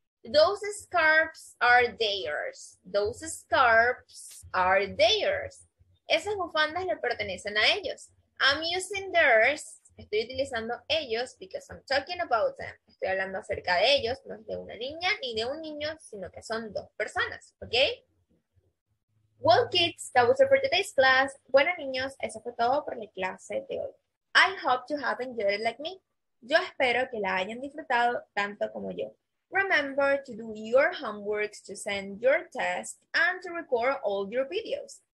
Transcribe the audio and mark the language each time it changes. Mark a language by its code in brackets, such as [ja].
[en] Those scarves are theirs. Those scarves are theirs. [es] Esas bufandas le pertenecen a ellos. [en] I'm using theirs. [es] Estoy utilizando ellos [en] because I'm talking about them. [es] Estoy hablando acerca de ellos, no es de una niña ni de un niño, sino que son dos personas, ¿ok? [en] Well, kids, that was it for today's class. [es] Bueno, niños, eso fue todo por la clase de hoy. [en] I hope you have enjoyed it like me. [es] Yo espero que la hayan disfrutado tanto como yo. [en] Remember to do your homeworks, to send your test, and to record all your videos.